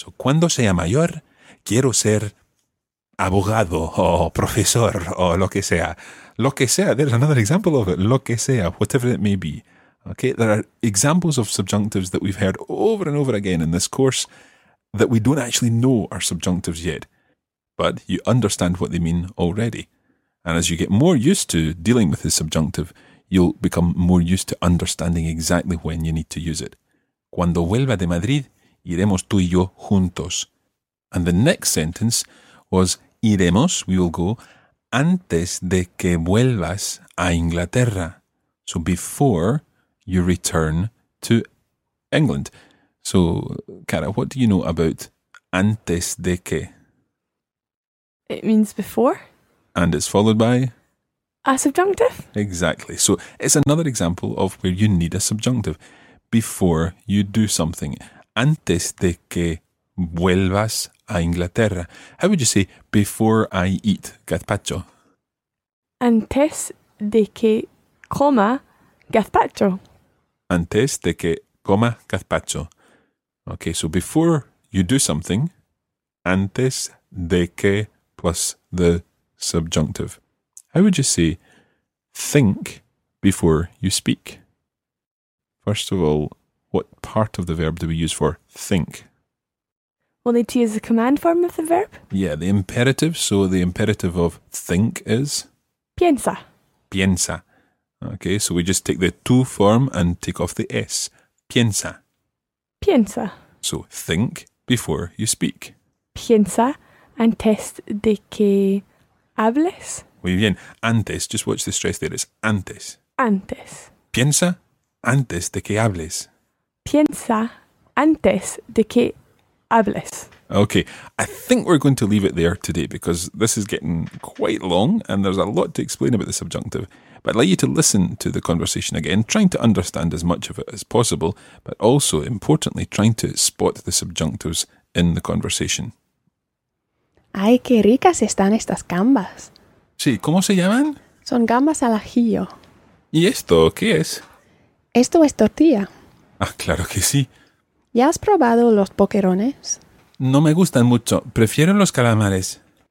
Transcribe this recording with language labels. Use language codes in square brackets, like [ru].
[es] Cuando sea mayor, quiero ser abogado o profesor o lo que sea. Lo que sea. [en] There's another example of it. [es] Lo que sea, [en] whatever it may be. Okay, there are examples of subjunctives that we've heard over and over again in this course that we don't actually know are subjunctives yet, but you understand what they mean already. And as you get more used to dealing with the subjunctive, you'll become more used to understanding exactly when you need to use it. [es] Cuando vuelva de Madrid, iremos tú y yo juntos. [en] And the next sentence was, iremos, we will go, antes de que vuelvas a Inglaterra. So before you return to England. So, Cara, what do you know about antes de que? It means before. And it's followed by? A subjunctive. Exactly. So it's another example of where you need a subjunctive. Before you do something. [es] Antes de que vuelvas a Inglaterra. [en] How would you say before I eat gazpacho? [es] Antes de que coma gazpacho. Antes de que coma gazpacho. [en] Okay, so before you do something, antes de que plus the subjunctive. How would you say think before you speak? First of all, what part of the verb do we use for think? Well, need to use the command form of the verb. Yeah, the imperative. So the imperative of think is? [es] Piensa. Piensa. [en] Okay, so we just take the tu form and take off the S. [es] Piensa. Piensa. [en] So think before you speak. [es] Piensa antes de que hables. Muy bien. Antes. [en] Just watch the stress there. It's antes. [es] Antes. Piensa antes de que hables. Piensa antes de que hables. [en] Okay. I think we're going to leave it there today because this is getting quite long and there's a lot to explain about the subjunctive. But I'd like you to listen to the conversation again, trying to understand as much of it as possible, but also, importantly, trying to spot the subjunctives in the conversation. [es] ¡Ay, qué ricas están estas gambas! Sí, ¿cómo se llaman? Son gambas al ajillo. ¿Y esto qué es? Esto es tortilla. Ah, claro que sí. ¿Ya has probado los boquerones? No me gustan mucho, prefiero los calamares.